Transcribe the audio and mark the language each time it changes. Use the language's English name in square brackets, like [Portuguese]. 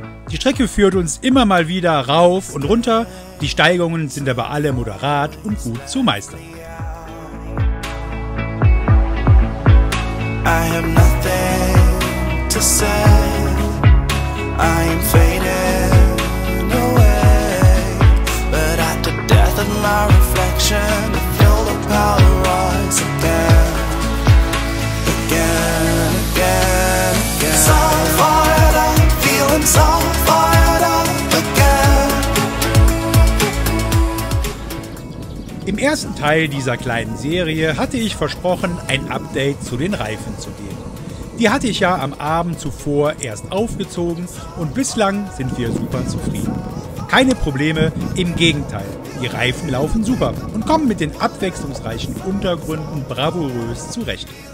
[German] Die Strecke führt uns immer mal wieder rauf und runter, die Steigungen sind aber alle moderat und gut zu meistern. [English] I have nothing to say, I am fading away, but at the death of my reflection, I feel the power rise again, again, again, again. So fired up, feeling so fired up again. [German] Im ersten Teil dieser kleinen Serie hatte ich versprochen, ein Update zu den Reifen zu geben. Die hatte ich ja am Abend zuvor erst aufgezogen und bislang sind wir super zufrieden. Keine Probleme, im Gegenteil, die Reifen laufen super und kommen mit den abwechslungsreichen Untergründen bravourös zurecht.